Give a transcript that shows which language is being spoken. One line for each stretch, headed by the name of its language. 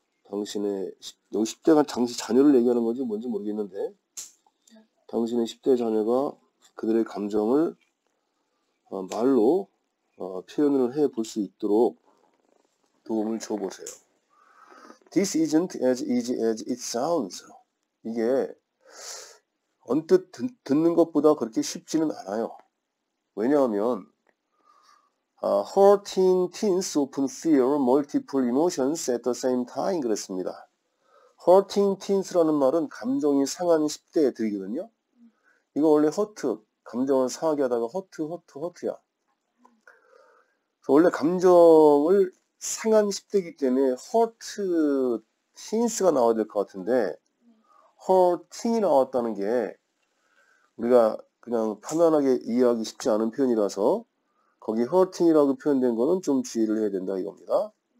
Korean: 당신의 10대가 당시 자녀를 얘기하는 건지 뭔지 모르겠는데, 당신의 10대 자녀가 그들의 감정을 말로 표현을 해볼수 있도록 도움을 줘 보세요.
English: This isn't as easy as it sounds.
Korean: 이게 언뜻 듣는 것보다 그렇게 쉽지는 않아요. 왜냐하면
English: hurting teens often feel multiple emotions at the same time
Korean: 그랬습니다.
English: hurting teens
Korean: 라는 말은 감정이 상한 10대들이거든요. 이거 원래 hurt, 감정을 상하게 하다가 hurt야. 원래 감정을 상한 10대이기 때문에
English: hurt teens
Korean: 가 나와야 될것 같은데, hurting이 나왔다는 게 우리가 그냥 편안하게 이해하기 쉽지 않은 표현이라서 거기 hurting이라고 표현된 거는 좀 주의를 해야 된다 이겁니다.